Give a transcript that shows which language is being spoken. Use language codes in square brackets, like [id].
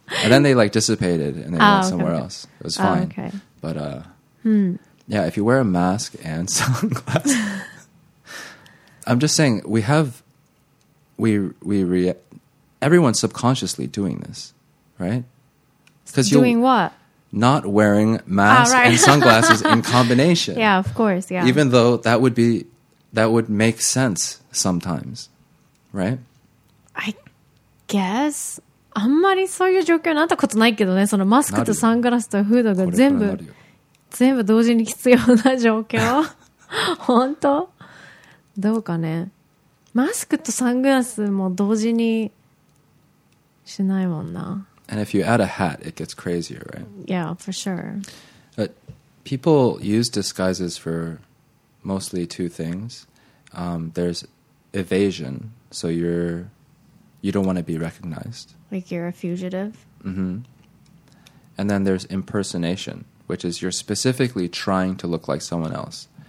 [en] And then they like dissipated and they went somewhere else. It was fine. But yeah, if you wear a mask and sunglasses, I'm just saying we have, everyone's subconsciously doing this, right? Doing what? Not wearing masks and sunglasses in combination. Yeah, of course. Yeah. Even though that would be, that would make sense sometimes, right? I guess. [ja] あんまりそういう状況になったことないけどね。そのマスクとサングラスとフードが全部同時に必要な状況。本当？どうかね。マスクとサングラスも同時にしないもんな。 [en] And if you add a hat, it gets crazier, right? Yeah, for sure. But people use disguises for mostly two things. There's evasion, so you don't want to be recognized. Like you're a fugitive? Mm-hmm. And then there's impersonation, which is you're specifically trying to look like someone else.